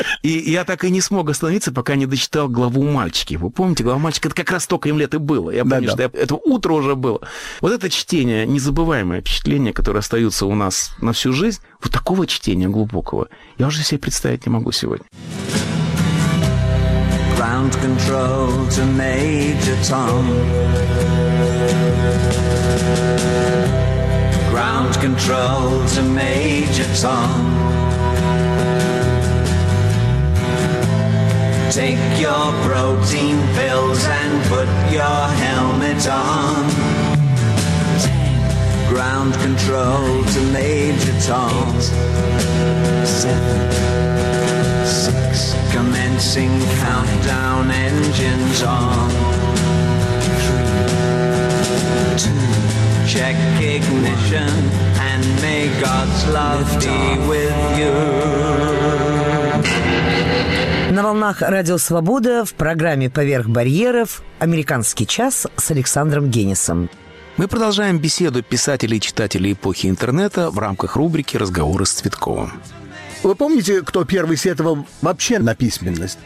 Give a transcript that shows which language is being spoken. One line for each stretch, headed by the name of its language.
Russian: И я так и не смог остановиться, пока не дочитал главу «Мальчики». Вы помните, глава «Мальчики» — это как раз столько им лет и было. Я помню, что это утро уже было. Вот это чтение, незабываемое впечатление, которые остаются у нас на всю жизнь, вот такого чтения глубокого я уже себе представить не могу сегодня.
English: Ground control to Major Tom. Ground control to Major Tom. Take your protein pills and put your helmet on. Ground control to Major Tom. 8, 7, 6. Commencing countdown, engines on. 3, 2. Check ignition, 1. And may God's love be with you.
Russian: На волнах Радио Свобода в программе «Поверх барьеров» «Американский час» с Александром Генисом. Мы продолжаем беседу писателей и читателей эпохи интернета в рамках рубрики «Разговоры с Цветковым». Вы помните, кто первый сетовал вообще на письменность?